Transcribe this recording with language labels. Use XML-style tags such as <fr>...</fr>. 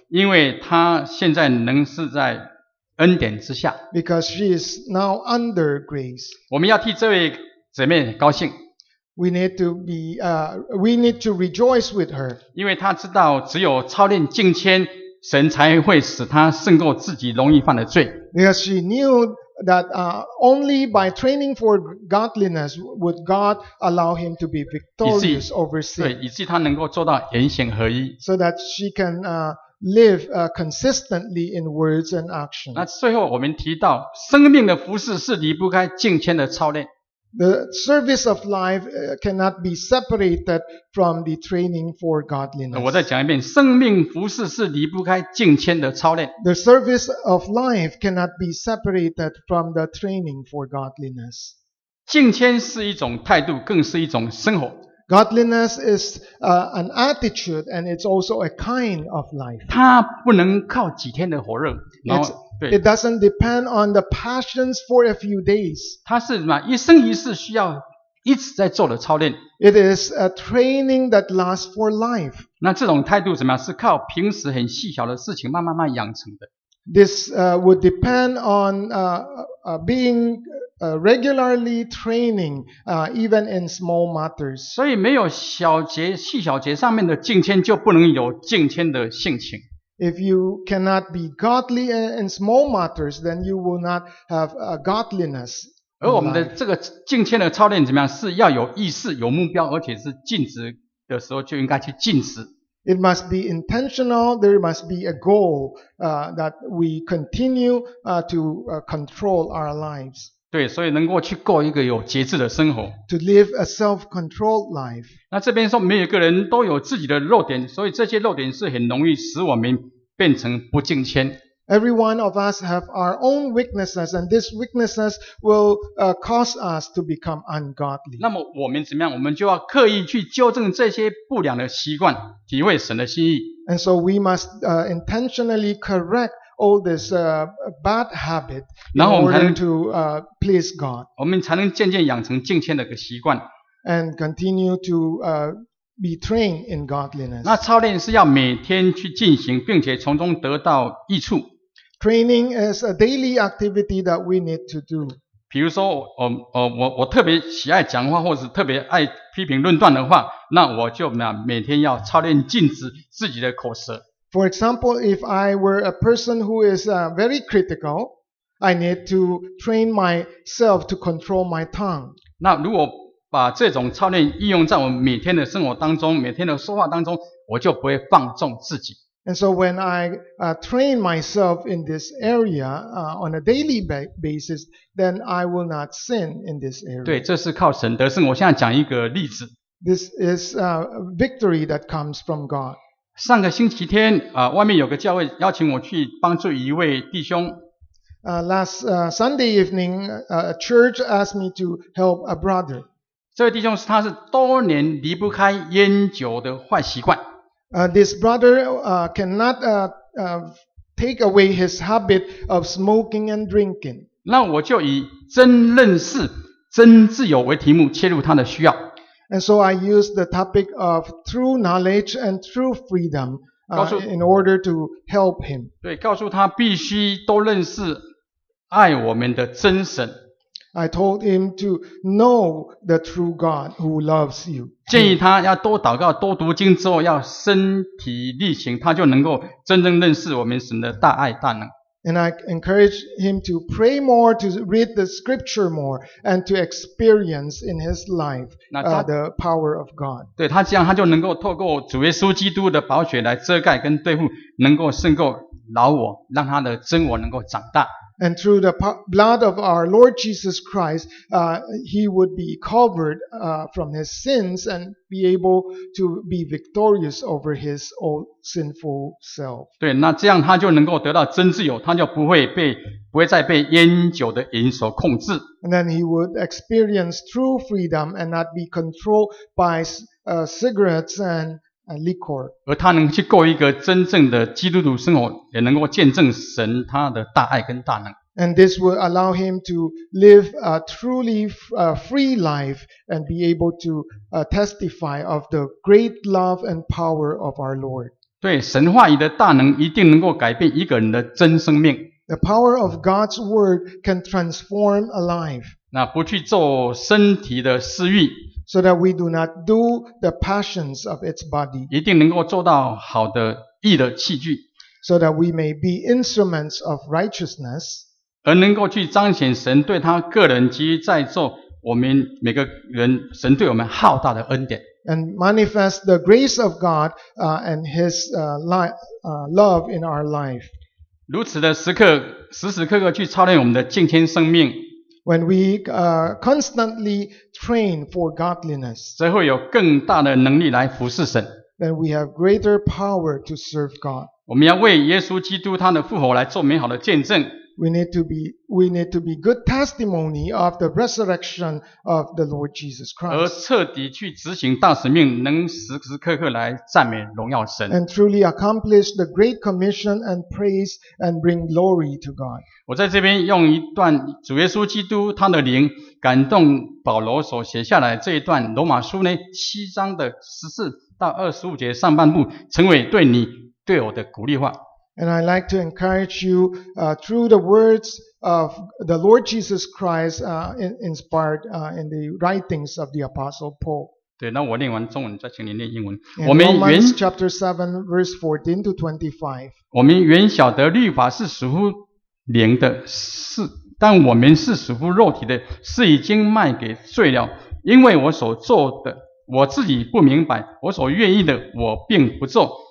<zh>因为他现在能是在恩典之下。</zh> <en>Because she is now under grace.</en> <zh>我们要替这位姊妹高兴。</zh> <en>We need to be, we need to rejoice with her.</en> <zh>因为他知道只有操练敬虔，神才会使他胜过自己容易犯的罪。</zh> <en>Because she knew that only by training for godliness would God allow him to be victorious over sin.</en> <zh>对，以至于他能够做到言行合一。</zh> <en>So that she can live consistently in words and action.</en> <zh>那最后我们提到，生命的服事是离不开敬虔的操练。</zh> <en>The service of life cannot be separated from the training for godliness.</en> <zh>我再讲一遍，生命服事是离不开敬虔的操练。</zh> <en>The service of life cannot be separated from the training for godliness.</en> <zh>敬虔是一种态度，更是一种生活。</zh> <en>Godliness is an attitude, and it's also a kind of life.</en> <zh>它不能靠几天的火热，然后。</zh> <en>It doesn't depend on the passions for a few days.</en> <zh>它是什么？一生一世需要一直在做的操练。</zh> <en>It is a training that lasts for life.</en> <zh>那这种态度怎么样？是靠平时很细小的事情慢慢慢养成的。</zh> <en>This would depend on being regularly training, even in small matters.</en> <zh>所以没有小节、细小节上面的敬虔，就不能有敬虔的性情。</zh> <en>If you cannot be godly in small matters, then you will not have a godliness.</en> <zh>而我们的这个敬虔的操练怎么样？是要有意识、有目标，而且是尽职的时候就应该去尽职。</zh> <en>It must be intentional. There must be a goal that we continue to control our lives.</en> <zh>对，所以能够去过一个有节制的生活。</zh> <en>To live a self-controlled life.</en> <zh>那这边说，每一个人都有自己的弱点，所以这些弱点是很容易使我们变成不敬虔。</zh> <en>Every one of us have our own weaknesses, and these weaknesses will cause us to become ungodly.</en> <zh>那么我们怎么样？我们就要刻意去纠正这些不良的习惯，体会神的心意。</zh> <en>And so we must intentionally correct all this bad habit in order to please God.</en> <zh>我们才能渐渐养成敬虔的个习惯。</zh> <en>And continue to be trained in godliness.</en> <zh>那操练是要每天去进行，并且从中得到益处。</zh> <en>Training is a daily activity that we need to do.</en> <zh>比如说，我特别喜爱讲话，或是特别爱批评论断的话，那我就每天要操练禁止自己的口舌。</zh> <en>For example, if I were a person who is very critical, I need to train myself to control my tongue.</en> <zh>那如果把这种操练应用在我每天的生活当中，每天的说话当中，我就不会放纵自己。</zh> <en>And so when I train myself in this area on a daily basis, then I will not sin in this area.</en> <zh>对，这是靠神得胜。我现在讲一个例子。</zh> <en>This is a victory that comes from God.</en> <zh>上个星期天，外面有个教会邀请我去帮助一位弟兄。</zh> <en>Last Sunday evening, a church asked me to help a brother.</en> <zh>这位弟兄他是多年离不开烟酒的坏习惯。</zh> <en>This brother cannot take away his habit of smoking and drinking.</en> <zh>那我就以真认识、真自由为题目切入他的需要。</zh> <en>And so I use the topic of true knowledge and true freedom in order to help him.</en> <zh>对，告诉他必须都认识爱我们的真神。</zh> <en>I told him to know the true God who loves you.</en> <zh>建议他要多祷告、多读经之后，要身体力行，他就能够真正认识我们神的大爱大能。</zh> <en>And I encouraged him to pray more, to read the scripture more, and to experience in his life the power of God.</en> <zh>对，他这样他就能够透过主耶稣基督的宝血来遮盖跟对付，能够胜过老我，让他的真我能够长大。</zh> <en>And through the blood of our Lord Jesus Christ, he would be covered from his sins and be able to be victorious over his old sinful self.</en> <zh>对，那这样他就能够得到真自由，他就不会再被烟酒的瘾所控制。</zh> <en>And then he would experience true freedom and not be controlled by cigarettes and liquor.</en> <zh>而他能去过一个真正的基督徒生活，也能够见证神他的大爱跟大能。</zh> <en>And this will allow him to live a truly free life and be able to testify of the great love and power of our Lord.</en> <zh>对，神话语的大能一定能够改变一个人的真生命。</zh> <en>The power of God's word can transform a life.</en> <zh>那不去做身体的私欲。</zh> <en>So that we do not do the passions of its body.</en> <zh>一定能够做到好的义的器具。</zh> <en>So that we may be instruments of righteousness.</en> <zh>而能够去彰显神对他个人及在座我们每个人神对我们浩大的恩典。</zh> <en>And manifest the grace of God, and his love in our life.</en> <zh>如此的时刻，时时刻刻去操练我们的敬虔生命。</zh> <en>When we constantly train for godliness,</en> <zh>则会有更大的能力来服侍神。</zh> <en>Then we have greater power to serve God.</en> <zh>我们要为耶稣基督他的复活来做美好的见证。</zh> <en>We need to be good testimony of the resurrection of the Lord Jesus Christ.</en> <zh>而彻底去执行大使命，能时时刻刻来赞美荣耀神。</zh> <en>And truly accomplish the great commission and praise and bring glory to God.</en> <zh>我在这边用一段主耶稣基督他的灵感动保罗所写下来这一段罗马书呢，七章的十四到二十五节上半部，成为对你对我的鼓励话。</zh> <en>And I'd like to encourage you through the words of the Lord Jesus Christ inspired in the writings of the Apostle Paul.</en> <zh>对，那我念完中文，再请您念英文。</zh> <en>Romans chapter 7, verse 14 to 25.</en> <zh>我们原晓得律法是属乎灵的，是，但我们是属乎肉体的，是已经卖给罪了。因为我所做的，我自己不明白；我所愿意的，我并不做。</zh>